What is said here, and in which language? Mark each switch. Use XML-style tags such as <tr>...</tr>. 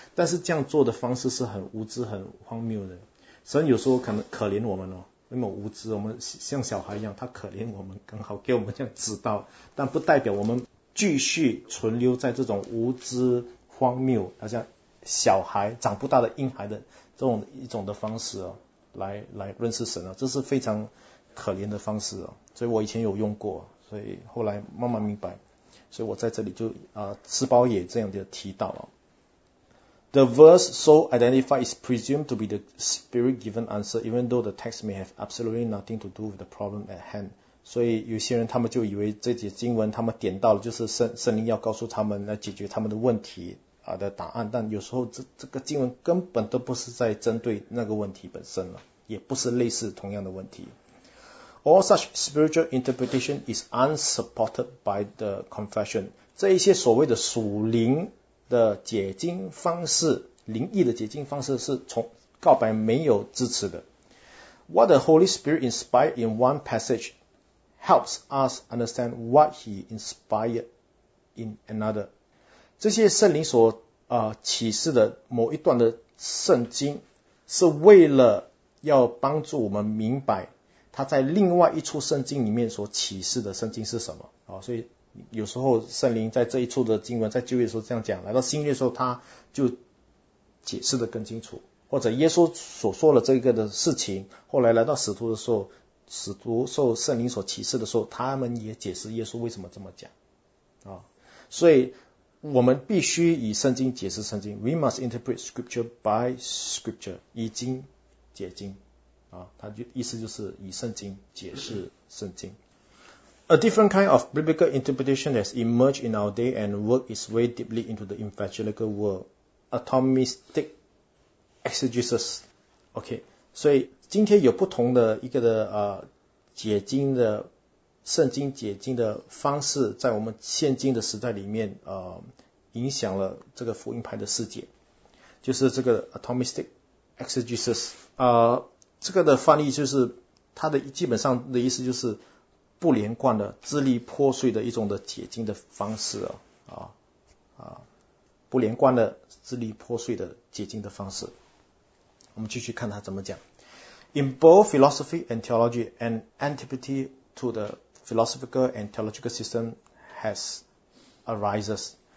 <zh>但是这样做的方式是很无知很荒谬的，神有时候可能可怜我们哦，那么无知，我们像小孩一样，他可怜我们，刚好给我们这样指导，但不代表我们继续存留在这种无知荒谬，好像小孩长不大的婴孩的这种一种的方式哦，来认识神啊，这是非常可怜的方式哦。所以我以前有用过，所以后来慢慢明白，所以我在这里就吃饱也这样的提到了。</zh> <en>The verse so identified is presumed to be the spirit given answer, even though the text may have absolutely nothing to do with the problem at hand.</en> <zh>所以有些人他们就以为这节经文他们点到了，就是圣灵要告诉他们来解决他们的问题的答案，但有时候这个经文根本都不是在针对那个问题本身了，也不是类似同样的问题。</zh> <en>All such spiritual interpretation is unsupported by the confession.</en> <zh>这一些所谓的属灵的解经方式，灵异的解经方式是从告白没有支持的。</zh> <en>What the Holy Spirit inspired in one passage helps us understand what he inspired in another.</en> <zh>这些圣灵所启示的某一段的圣经，是为了要帮助我们明白他在另外一处圣经里面所启示的圣经是什么。所以有时候圣灵在这一处的经文在旧约的时候这样讲，来到新约的时候他就解释得更清楚，或者耶稣所说的这个的事情，后来来到使徒的时候，使徒受圣灵所启示的时候，他们也解释耶稣为什么这么讲。所以我们必须以圣经解释圣经，</zh> <en>We must interpret scripture by scripture，</en> <zh>以经解经。他意思就是以圣经解释圣经。</zh> <en>A different kind of biblical interpretation has emerged in our day and worked its way deeply into the evangelical world.</en> <zh>Atomistic exegesis. OK， 所以今天有不同的一个的解经的圣经解经的方式，在我们现今的时代里面影响了这个福音派的世界，就是这个 Atomistic exegesis。这个的翻译就是它的基本上的意思就是不连贯的、支离破碎的一种的解经的方式不连贯的、支离破碎的解经的方式。我们继续看它怎么讲。</zh> <en>In both philosophy and theology, an antipathy to the philosophical and theological system has arises.</en>